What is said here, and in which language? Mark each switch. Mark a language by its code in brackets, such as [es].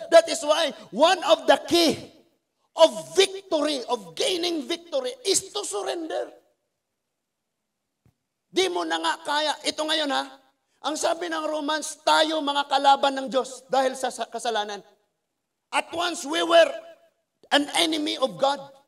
[en] That is why one of the key of victory, of gaining victory, is to surrender. [tl] Di mo na nga kaya. Ito ngayon ha. Ang sabi ng Romans, tayo mga kalaban ng Diyos dahil sa kasalanan. [en] At once we were an enemy of God.